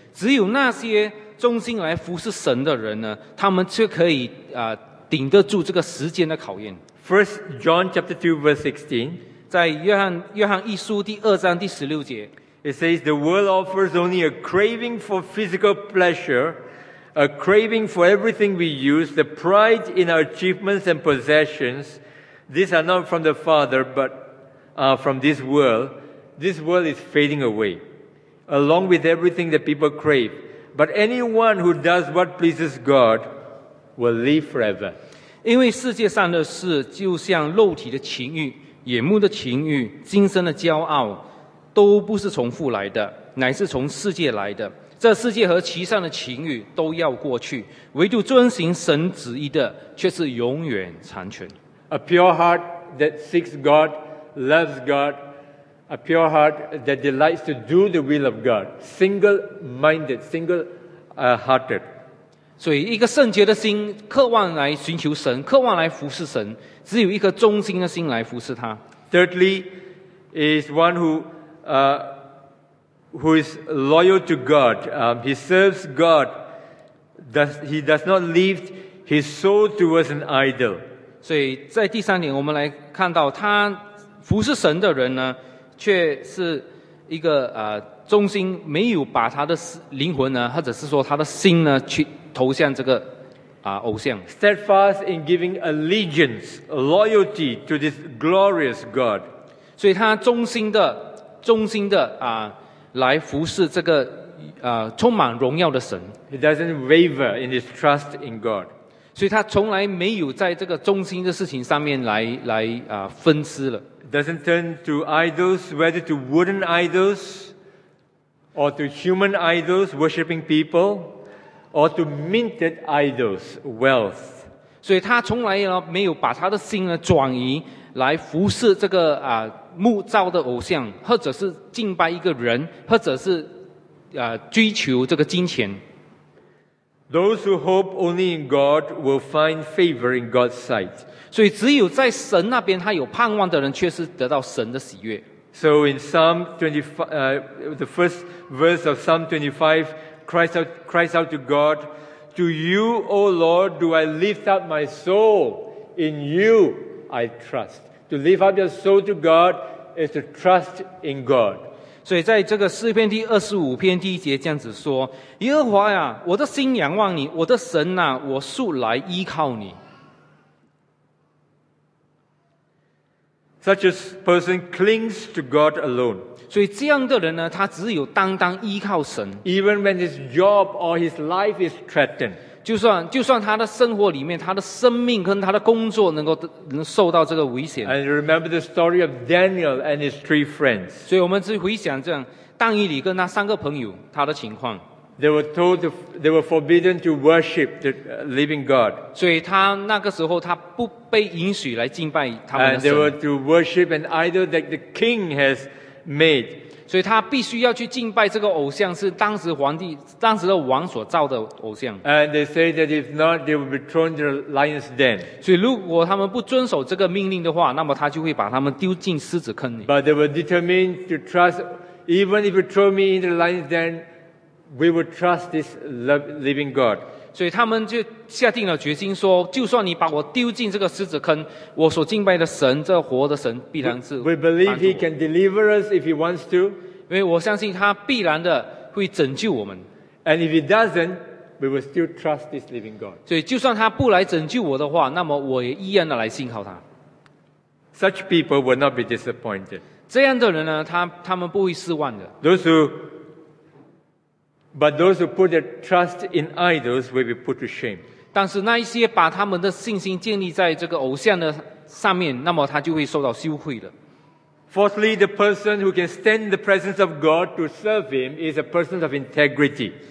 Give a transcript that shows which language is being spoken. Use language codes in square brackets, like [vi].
[zh] 只有那些忠心来服侍神的人呢，他们却可以顶得住这个时间的考验。 [en] First John chapter 2 verse 16. [zh] 在约翰一书第二章第十六节。 [en] It says the world offers only a craving for physical pleasure, a craving for everything we use, the pride in our achievements and possessions. These are not from the Father, but from this world. This world is fading away, along with everything that people crave. But anyone who does what pleases God will live forever. [zh] 因为世界上的事，就像肉体的情欲、眼目的情欲、今生的骄傲，都不是从父来的，乃是从世界来的。这世界和其上的情欲都要过去，唯独遵行神旨意的，却是永远长存。 [en] A pure heart that seeks God, loves God, a pure heart that delights to do the will of God, single-minded, single-hearted. [zh] 所以一个圣洁的心，渴望来寻求神，渴望来服侍神，只有一颗忠心的心来服侍他。 [en] Thirdly, is one who is loyal to God. He serves God. He does not lift his soul towards an idol. [zh] 所以在第三点，我们来看到他服侍神的人呢，却是一个忠心，没有把他的灵魂呢，或者是说他的心呢，去投向这个偶像。 [en] Steadfast in giving allegiance, loyalty to this glorious God. [zh] 所以他忠心的来服侍这个充满荣耀的神。 [en] He doesn't waver in his trust in God. [zh] 所以他从来没有在这个忠心的事情上面来分支了。 [en] Doesn't turn to idols, whether to wooden idols, or to human idols, worshipping people, or to minted idols, wealth. [zh] 所以他从来没有把他的心呢转移来服侍这个木造的偶像，或者是敬拜一个人，或者是追求这个金钱。 [en] Those who hope only in God will find favor in God's sight. [zh] 所以只有在神那边他有盼望的人，却是得到神的喜悦。 [en] So in Psalm 25, the first verse of Psalm 25, cries out to God, To you, O Lord, do I lift up my soul. In you I trust. To lift up your soul to God is to trust in God. [zh] 所以在这个诗篇第二十五篇第一节这样子说，耶和华呀，我的心仰望你，我的神啊，我素来依靠你。 [en] Such a person clings to God alone. [zh] 所以这样的人呢，他只有单单依靠神。 [en] Even when his job or his life is threatened. [zh] 就算他的生活里面，他的生命跟他的工作能受到这个危险。 [en] And remember the story of Daniel and his three friends. [zh] 所以我们只回想这样，但以理跟他三个朋友他的情况。 [en] They were forbidden to worship the living God. [zh] 所以他那个时候他不被允许来敬拜他们的神。 [en] And they were to worship an idol that the king has made. [zh] 所以他必须要去敬拜这个偶像，是当时的王所造的偶像。 [en] And they say that if not, they will be thrown to the lion's den. [zh] 所以如果他们不遵守这个命令的话，那么他就会把他们丢进狮子坑里。 [en] But they were determined to trust, even if you throw me into the lion's den, we will trust this living God. [zh] 所以他们就下定了决心说，就算你把我丢进这个狮子坑，我所敬拜的神，这活的神必然是帮助我。 [en] We believe he can deliver us if he wants to. [zh] 因为我相信他必然的会拯救我们。 [en] And if he doesn't, we will still trust this living God. [zh] 所以就算他不来拯救我的话，那么我也依然的来信靠他。 [en] Such people will not be disappointed. [zh] 这样的人呢，他们不会失望的。 [en] But those who put their trust in idols will be put to shame. [zh] 但是那一些把他们的信心建立在这个偶像的上面，那么他就会受到羞愧了。 [en] Fourthly, the person who can stand in the presence of God to serve Him is a person of integrity.